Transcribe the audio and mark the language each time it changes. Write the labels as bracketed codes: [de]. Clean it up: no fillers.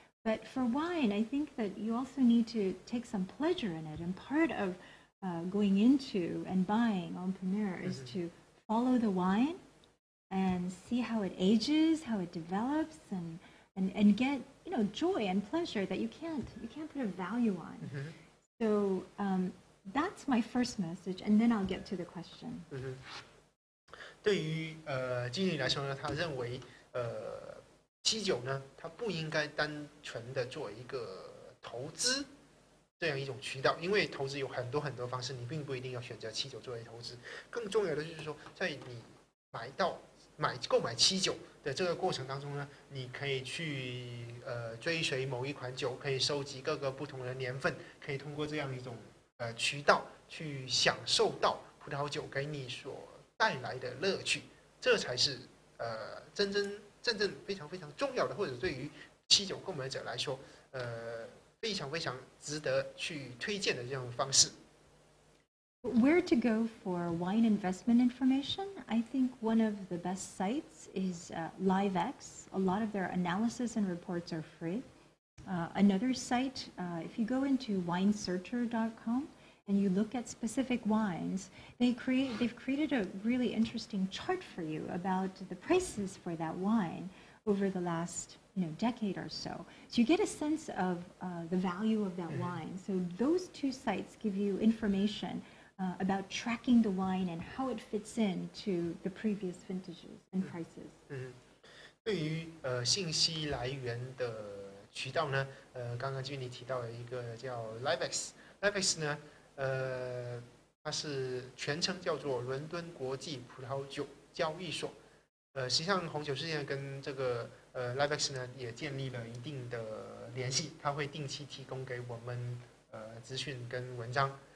[en] But for wine, I think that you also need to take some pleasure in it. And part of going into and buying On Premier is to follow the wine and see how it ages, how it develops, and get, you know, joy and pleasure that you can't put a value on. Mm-hmm. So that's my first message, and then I'll get to the question. [zh] 对于经理来说呢，他认为基酒呢，它不应该单纯的做一个投资这样一种渠道，因为投资有很多很多方式，你并不一定要选择基酒作为投资。更重要的就是说，在你购买基酒的这个过程当中呢，你可以去追随某一款酒，可以收集各个不同的年份，可以通过这样一种渠道去享受到葡萄酒给你所带来的乐趣，这才是真正非常非常重要的，或者对于基酒购买者来说非常非常值得去推荐的这样的方式。 [en] Where to go for wine investment information? I think one of the best sites is LiveX. A lot of their analysis and reports are free. Another site, if you go into winesearcher.com and you look at specific wines, they've created a really interesting chart for you about the prices for that wine over the last, you know, decade or so. So you get a sense of the value of that wine. So those two sites give you information about tracking the wine and how it fits in to the previous vintages and prices. [zh] 对于信息来源的渠道呢，刚刚就你提到了一个叫 Livex，Livex呢，它是全称叫做伦敦国际葡萄酒交易所，实际上红酒世界跟这个Livex 呢也建立了一定的联系，它会定期提供给我们资讯跟文章。